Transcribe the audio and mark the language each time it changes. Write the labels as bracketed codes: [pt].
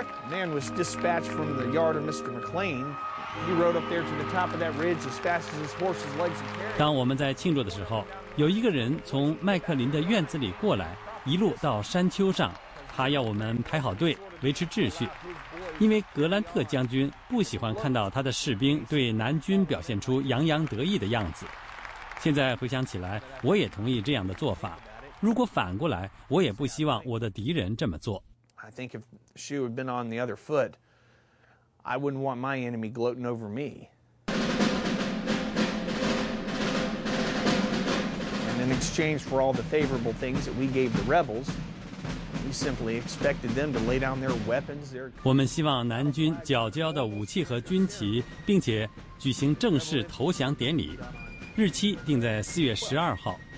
[en] Man was dispatched from the yard of Mr. McLean. He rode up there to the top of that ridge as fast as his horse's legs could carry. [zh] 当我们在庆祝的时候，有一个人从麦克林的院子里过来，一路到山丘上，他要我们排好队，维持秩序。因为格兰特将军不喜欢看到他的士兵对南军表现出洋洋得意的样子。现在回想起来，我也同意这样的做法。如果反过来，我也不希望我的敌人这么做。 [en] I think if shoe had been on the other foot, I wouldn't want my enemy gloating over me. And in exchange for all the favorable things that we gave the rebels, we simply expected them to lay down their weapons. [zh] 我们希望南军缴交的武器和军旗，并且举行正式投降典礼，日期定在4月12号。